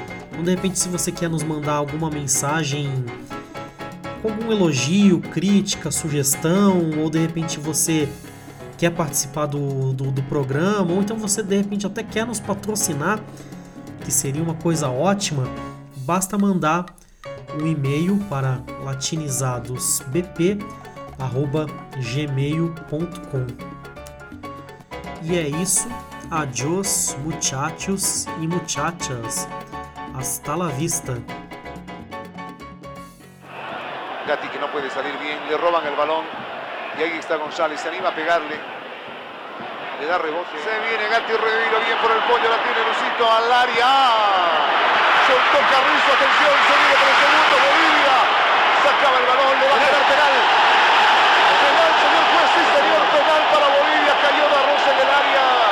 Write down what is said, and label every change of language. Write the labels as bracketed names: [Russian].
[Portuguese] Então, de repente, se você quer nos mandar alguma mensagem, algum elogio, crítica, sugestão, ou de repente você quer participar do programa, ou então você, de repente, até quer nos patrocinar, que seria uma coisa ótima, basta mandar um e-mail para latinizadosbp@gmail.com. E é isso. [Spanish] Adiós, muchachos e muchachas. Hasta la vista. Gatti, que não pode salir bem, le roban el balón. E aí está González, se anima a pegarle. Le da rebote. Se viene Gatti, reviro bien por el pollo, la tiene Lucito al área. Soltó Carrizo, atención, se viene por el segundo, Bolivia. Sacaba el balón, le va a quedar penal. Penal, señor juez, sí, señor, penal para Bolivia. Cayó Barros en el área.